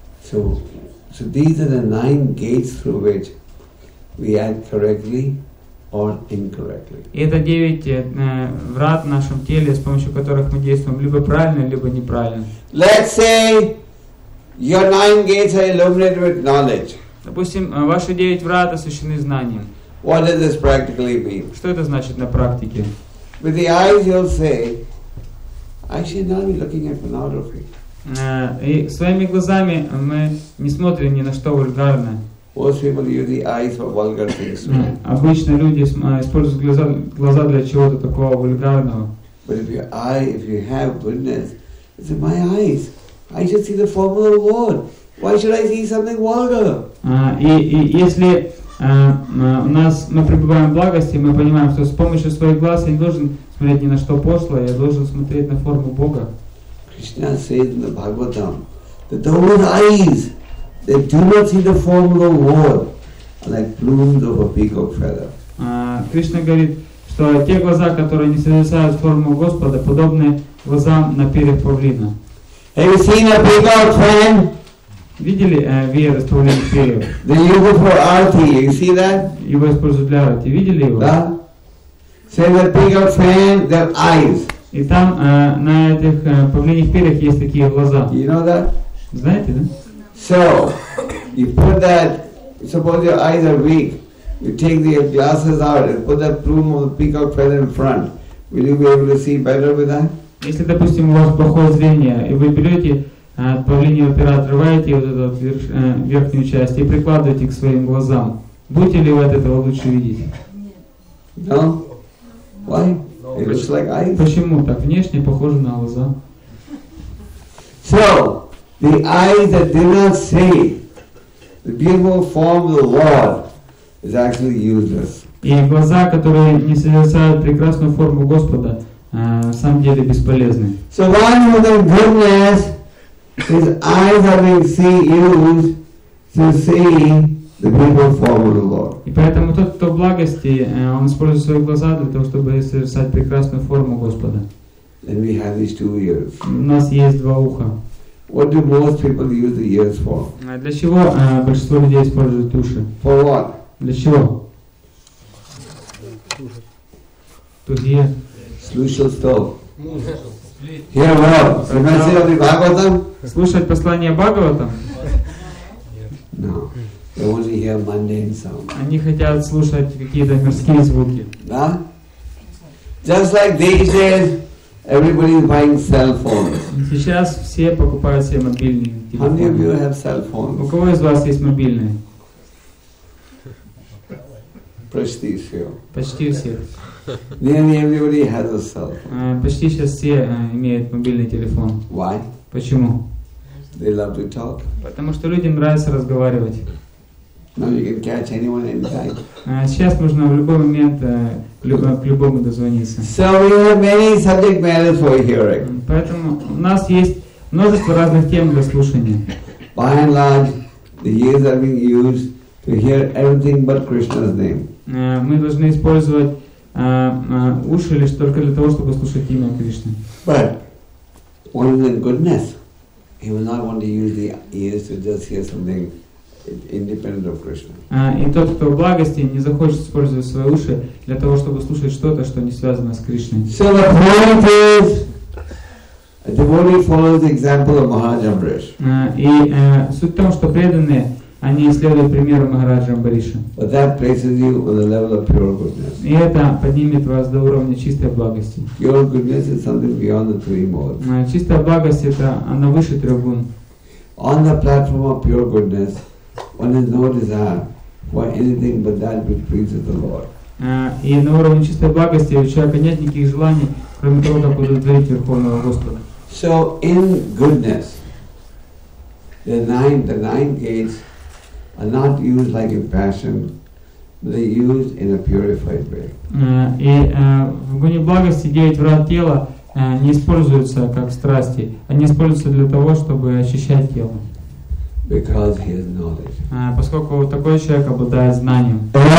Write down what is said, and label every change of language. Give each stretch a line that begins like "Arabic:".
English: So these are the nine gates through which we act correctly or incorrectly.
Russian: Это девять врат в нашем теле, с помощью которых мы действуем либо правильно, либо неправильно.
English: Let's say your nine gates are illuminated with knowledge.
Russian: Допустим, ваши девять врат освящены знанием.
English: What does this practically mean?
Russian: Что это значит на практике?
English: With the eyes you'll say, I should not be looking at pornography.
Russian: И своими глазами мы не смотрим ни на что вульгарное.
English: Most people use the eyes for vulgar things.
Russian: Обычно люди используют глаза для чего-то такого вульгарного.
English: But if you have goodness, it's in my eyes. I should see the form of the Lord. Why should I see something vulgar?
Russian: Мы пребываем в благости, мы понимаем, что с помощью своих глаз я не должен смотреть ни на что пошлое, я должен смотреть на форму Бога.
English: Krishna says in the Bhagavatam that those eyes that do not see the form of the Lord are like plumes of a peacock feather.
Russian: Кришна говорит, что те глаза, которые не созерцают форму Господа, подобны глазам на перья павлина.
English: Have you seen a peacock, friend?
Russian: Видели веер из павлиных перьев?
English: The use for arti, you see that?
Russian: Его используют для арти. Видели его? Да.
English: Say the peacock, friend, their eyes.
Russian: И там на этих павлиньих перьях есть такие глаза.
English: You know that?
Russian: Знаете, да?
English: So, you put that, suppose your eyes are weak, you take the glasses out and put that plume of the peacock feather in front. Will you be able to see better with that?
Russian: Если, допустим, у вас плохое зрение, и вы берете павлиньего пера, отрываете вот эту верхнюю часть и прикладываете к своим глазам, будете ли вы от этого лучше видеть?
English: No? Why? It looks like eyes.
Russian: Почему так? Внешне похоже на глаза.
English: So, the eyes that did not see the beautiful form of the Lord is actually useless.
Russian: И глаза, которые не созерцают прекрасную форму Господа, на самом деле бесполезны.
English: So one who has goodness, his eyes having seen use to see the beautiful form of the Lord.
Russian: И поэтому тот, кто в благости, он использует свои глаза для того, чтобы созерцать прекрасную форму Господа.
English: And we have these two ears.
Russian: У нас есть два уха.
English: What do most people use the ears for?
Russian: Для чего большинство людей используют уши?
English: For what?
Russian: Для чего? Слушать что?
English: Hear what? The message of the Bhagavatam?
Russian: Слушать послание Бхагаватам?
English: No. They only hear mundane sounds.
Russian: Они хотят слушать какие-то мирские звуки. Да?
English: Just like these days, everybody is buying cell phones.
Russian: Сейчас все покупают себе мобильные телефоны.
English: How many of you have cell phones?
Russian: У кого из вас есть мобильные? Почти все. Почти все.
English: Nearly everybody has a cell phone.
Russian: Почти сейчас все имеют мобильный телефон.
English: Why?
Russian: Почему?
English: They love to talk.
Russian: Потому что людям нравится разговаривать.
English: Now you can catch anyone anytime.
Russian: Сейчас можно в любой момент к любому дозвониться.
English: So we have many subject matters for hearing.
Russian: Поэтому у нас есть множество разных тем для слушания.
English: By and large, the ears are being used to hear everything but Krishna's name.
Russian: Мы должны использовать уши лишь только для того, чтобы слушать имя Кришны.
English: But one is in goodness. He will not want to use the ears to just hear something independent of Krishna.
Russian: И тот, кто в благости, не захочет использовать свои уши для того, чтобы слушать что-то, что не связано с Кришной.
English: So the point is, a devotee follows the example of Maharaj Ambarish.
Russian: Суть в том, что преданные они следуют примеру Махараджа Амбариша.
English: But that places you on the level of pure goodness.
Russian: И это поднимет вас до уровня чистой благости.
English: Pure goodness is something beyond the three modes.
Russian: Чистая благость это она выше трех гун.
English: On the platform of pure goodness, one has no desire for anything but that which pleases the Lord.
Russian: И на уровне чистой благости у человека нет никаких желаний, кроме того, как удовлетворить Верховного Господа.
English: So in goodness, the nine gates are not used like in passion, but they used in a purified way.
Russian: И в гуне благости девять врат тела не используются как страсти, они используются для того, чтобы очищать тело.
English: Because he has knowledge.
Russian: Поскольку такой человек обладает знанием.